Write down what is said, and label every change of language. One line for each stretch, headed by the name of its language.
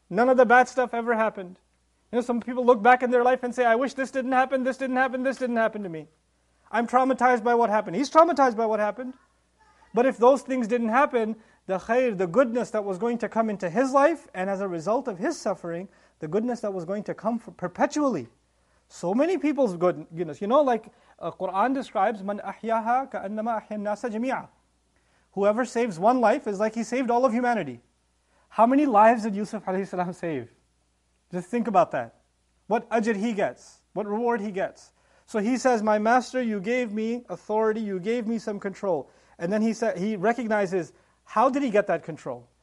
English: None of the bad stuff ever happened. Some people look back in their life and say, I wish this didn't happen, this didn't happen, this didn't happen to me. I'm traumatized by what happened. He's traumatized by what happened. But if those things didn't happen, the khair, the goodness that was going to come into his life, and as a result of his suffering, the goodness that was going to come perpetually. So many people's goodness. Quran describes,
Arabic: مَنْ أَحْيَاهَا كَأَنَّمَا أَحْيَا النَّاسَ جَمِيعًا.
English: Whoever saves one life is like he saved all of humanity. How many lives did Yusuf alayhi salam save? Just think about that. what ajr he gets, what reward he gets. So he says, my master, you gave me authority, you gave me some control. And then he recognizes, how did he get that control?